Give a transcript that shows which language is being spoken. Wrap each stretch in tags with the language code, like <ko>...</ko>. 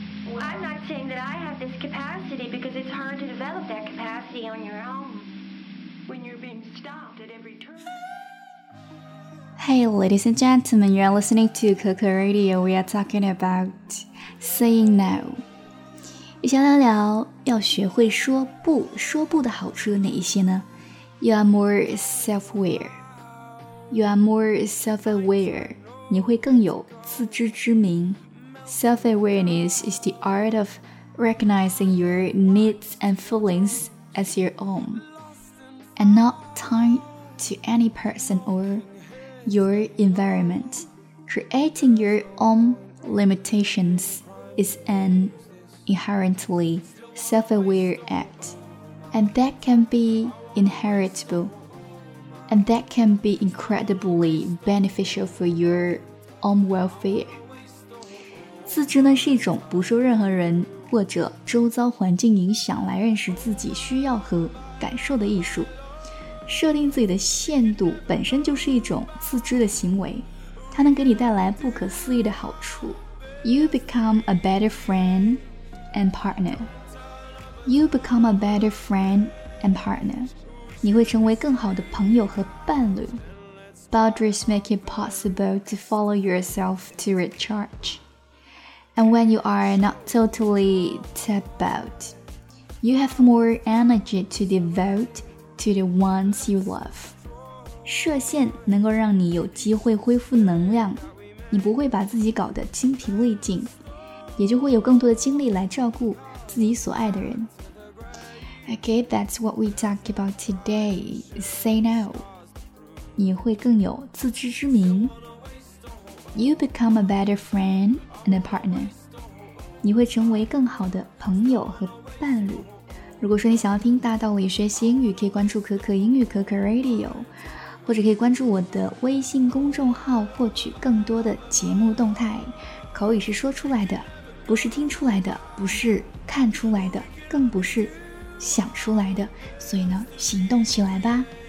<en>Well, I'm not saying that I have this capacity because it's hard to develop that capacity on your own when you're being stopped at every turn. Hey, ladies and gentlemen, you're listening to Coco Radio. We are talking about saying no.</en> <zh>一起聊聊要学会说不，说不的好处有哪一些呢？</zh> <en>You are more self-aware. You are more self-aware.</en> <zh>你会更有自知之明。</zh> <en>Self-awareness is the art of recognizing your needs and feelings as your own, and not tied to any person or your environment. Creating your own limitations is an inherently self-aware act, and that can be inheritable, and that can be incredibly beneficial for your own welfare.</en> <zh>自知呢是一种不受任何人或者周遭环境影响来认识自己需要和感受的艺术。设定自己的限度本身就是一种自知的行为，它能给你带来不可思议的好处。</zh> <en>You become a better friend and partner. You become a better friend and partner.</en> <zh>你会成为更好的朋友和伴侣。</zh> <en>Boundaries make it possible to follow yourself to recharge. And when you are not totally tapped out, you have more energy to devoteto the ones you love.</en> <zh>设限能够让你有机会恢复能量，你不会把自己搞得精疲力尽，也就会有更多的精力来照顾自己所爱的人。</zh> <en>Okay, that's what we talk about today. Say no.</en> <zh>你会更有自知之明。</zh> <en>You become a better friend and a partner.</en> <zh>你会成为更好的朋友和伴侣。如果说你想要听大道理学习英语，可以关注可可英语可可 Radio， 或者可以关注我的微信公众号获取更多的节目动态。口语是说出来的，不是听出来的，不是看出来的，更不是想出来的，所以呢，行动起来吧。</zh>